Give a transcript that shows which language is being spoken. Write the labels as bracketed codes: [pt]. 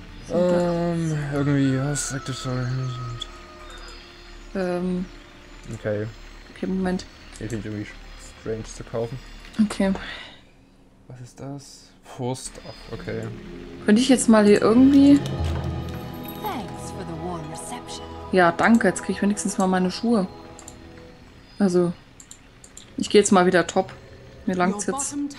[de] Irgendwie, was sagt das soll? Okay, Moment. Hier finde ich irgendwie strange zu kaufen. Okay. Was ist das? Furst, okay. Könnte ich jetzt mal hier irgendwie... [en] Thanks for the warm reception. [de] Ja, danke, jetzt kriege ich wenigstens mal meine Schuhe. Also, ich gehe jetzt mal wieder top. Mir langt's jetzt.